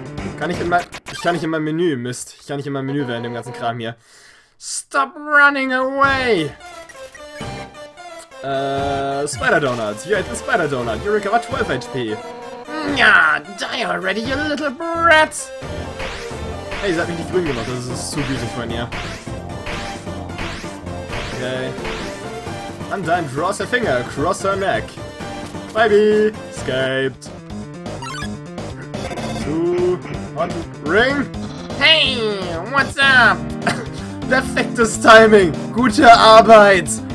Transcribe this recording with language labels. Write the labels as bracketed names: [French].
[German] Ich kann nicht in meinem Menü während dem ganzen Kram hier. [English] Stop running away! Spider Donut, you ate the Spider Donut, you recover 12 HP. Nyah, die already, you little brat! [German] Hey, sie hat mich nicht grün gemacht, das ist zu gütig von ihr. [English] Okay. And then draws her finger across her neck. Baby! Escaped! Two, one, ring! Hey, what's up? [German] Perfektes Timing! Gute Arbeit!